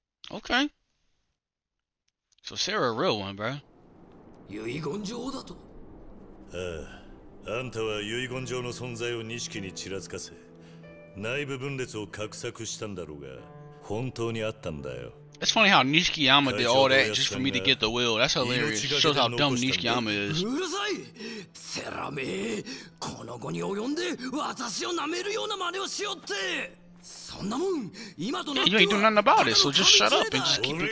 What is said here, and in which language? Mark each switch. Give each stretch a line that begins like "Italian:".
English: Okay. So Sarah, a real one, bro.
Japanese: 遺言状だと。ああ、あんたは遺言状の存在を錦にちらつかせ、内部分裂を画策したんだろうが、本当にあったんだよ。
English: It's funny how Nishikiyama did all that just for me to get the will. That's hilarious. It shows how dumb Nishikiyama is.
Japanese: うるさい、セラメ、この後に及んで私を舐めるような真似をしよって。そんなもん、今となっては。
English: You ain't doing nothing about it, so just shut up and just keep pushing.